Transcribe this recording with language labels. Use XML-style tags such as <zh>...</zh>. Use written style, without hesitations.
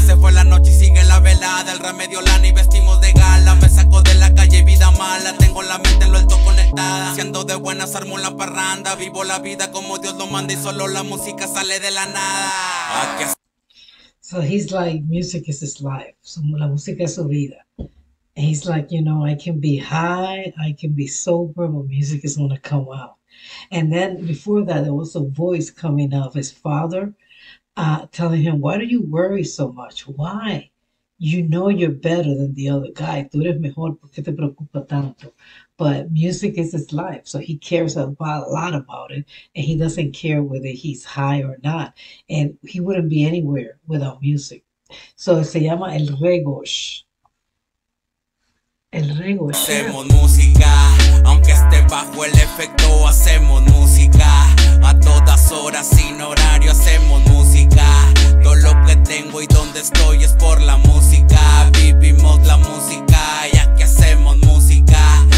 <es>Se fue la noche y sigue la velada. El remedio lana y vestimos de gala. Me saco de la calle vida mala. Tengo la mente en lo alto conectada. Siendo de buenas armo la parranda. Vivo la vida como Dios lo manda. Y solo la música sale de la nada.</es> <en>So he's like, music is his life. So</en> <es>la música es su vida.</es> <en>And he's like, you know, I can be high, I can be sober, but music is going to come out. And then before that, there was a voice coming out of his father telling him, why do you worry so much? Why? You know you're better than the other guy.</en> <es>Tú eres mejor, ¿por qué te preocupa tanto?</es> <en>But music is his life, so he cares a lot about it, and he doesn't care whether he's high or not, and he wouldn't be anywhere without music.</en> <es>So se llama El Regosh. El Regosh. Hacemos música, aunque esté bajo el efecto, hacemos música. A todas horas, sin horario, hacemos música. Todo lo que tengo y donde estoy es por la música. Vivimos la música y aquí hacemos música.</es>